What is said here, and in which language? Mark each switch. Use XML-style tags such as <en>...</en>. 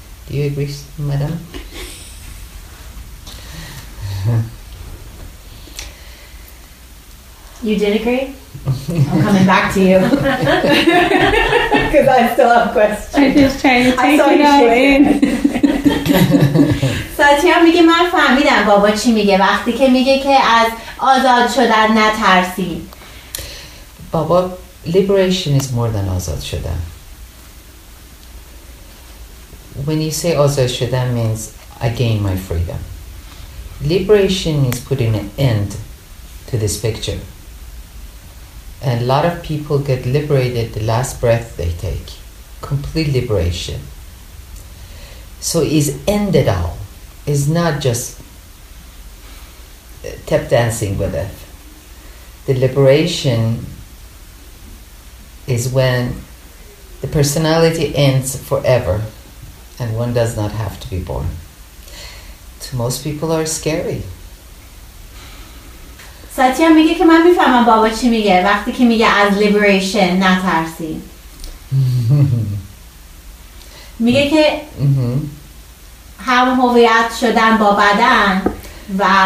<en>Do you agree, madam? You did agree? I'm coming back to you. Because I still have questions. I'm just trying to take it all in.</en> <fa>ساتیان میگه من فهمیدم بابا چی میگه وقتی که میگه که از آزاد شدن نترسیم.</fa> <en>بابا, liberation is more than آزاد شدن. When you say آزاد شدن means I gain my freedom. Liberation is putting an end to this picture. And a lot of people get liberated the last breath they take. Complete liberation. So it's ended all. It's not just tap dancing with it. The liberation is when the personality ends forever and one does not have to be born. To most people are scary.</en> <fa>ساتیا میگه که من میفهمم بابا چی میگه وقتی که میگه از لیبریشن نترسی. میگه که هم هویت شدن با بدن و</fa>